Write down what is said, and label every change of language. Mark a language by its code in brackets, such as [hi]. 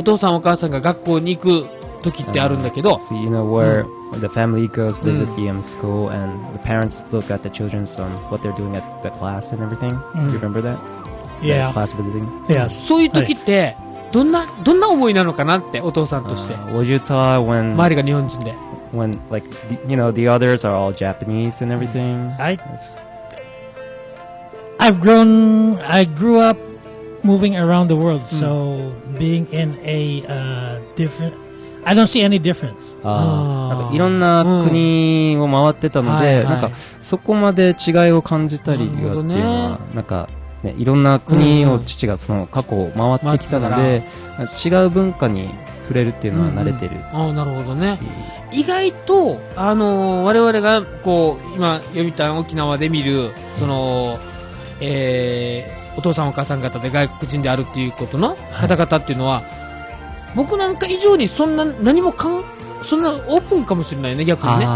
[ja] お父さんお母さんが学校に行く時ってあるんだけど、 [en] so you know where、うん、the family goes visit the school and the parents look at the children on what they're doing at the class and everything、mm. you remember that? yeah、 the、class visiting? yes、 [ja] そういう時ってどんな思いなのかなってお父さんとして、 [en] would you tell when [ja] 周りが日本人で [en] when like the, you know the others are all Japanese and everything、 I've grown I grew up moving around the world, so being in a different, I don't see any difference. [ja] いろんな国を回ってたので、なんかそこまで違いを感じたりっていうのは、なんかね、いろんな国を父がその過去を回ってきたので、違う文化に触れるっていうのは慣れてる。ああ、なるほどね。意外と、我々がこう今読谷沖縄で見るその、お父さんお母さん方で外国人であるっていうことの方々っていうのは、はい、僕なんか以上にそんな何もかんそんなオープンかもしれないね、逆にね。